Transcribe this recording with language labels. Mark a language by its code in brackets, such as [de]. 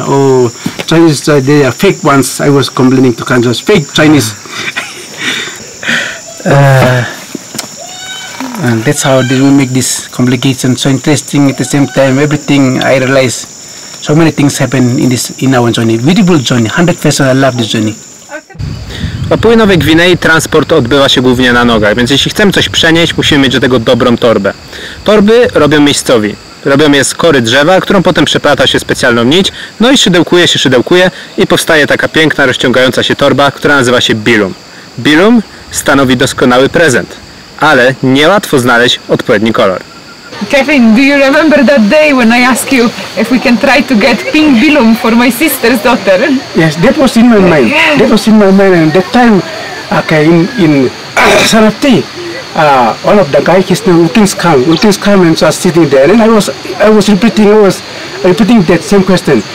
[en] Oh, Chinese, they are fake ones. I was complaining to Kansas. Fake Chinese. And that's how did we make this complication so interesting at the same time. Everything I realize, so many things happen in our journey. Beautiful journey, 100% I love this journey. [pl] Papui Nowej Gwinei transport odbywa się głównie na nogach, więc jeśli chcemy coś przenieść, musimy mieć do tego dobrą torbę. Torby robią miejscowi. Robią je z kory drzewa, którą potem przeplata się specjalną nić, no i szydełkuje i powstaje taka piękna, rozciągająca się torba, która nazywa się bilum. Bilum stanowi doskonały prezent, ale niełatwo znaleźć odpowiedni kolor. [en] Kevin, do you remember that day when I asked you if we can try to get pink bilum for my sister's daughter? Yes, that was in my mind. That was in my mind at that time. Okay, in Sarapti, one of the guys, his name Utinskam, and so I was sitting there, and I was repeating that same question.